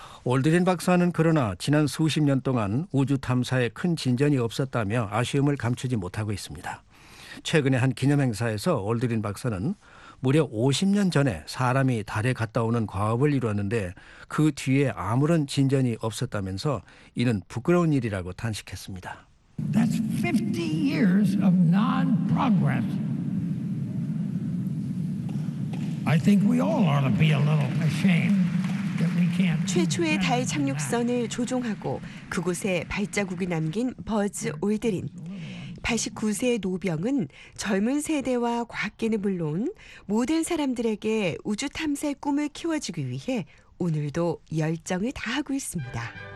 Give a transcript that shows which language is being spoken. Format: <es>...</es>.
<ko>올드린 박사는 그러나 지난 수십 년 동안 우주 탐사에 큰 진전이 없었다며 아쉬움을 감추지 못하고 있습니다. 최근에 한 기념행사에서 올드린 박사는 무려 50년 전에 사람이 달에 갔다 오는 과업을 이루었는데 그 뒤에 아무런 진전이 없었다면서 이는 부끄러운 일이라고 탄식했습니다.</ko> <en>That's 50 years of non-progress. I think we all ought to be a little ashamed.</en> <ko>최초의 달 착륙선을 조종하고 그곳에 발자국을 남긴 버즈 올드린. 89세의 노병은 젊은 세대와 과학계는 물론 모든 사람들에게 우주 탐사의 꿈을 키워주기 위해 오늘도 열정을 다하고 있습니다.</ko>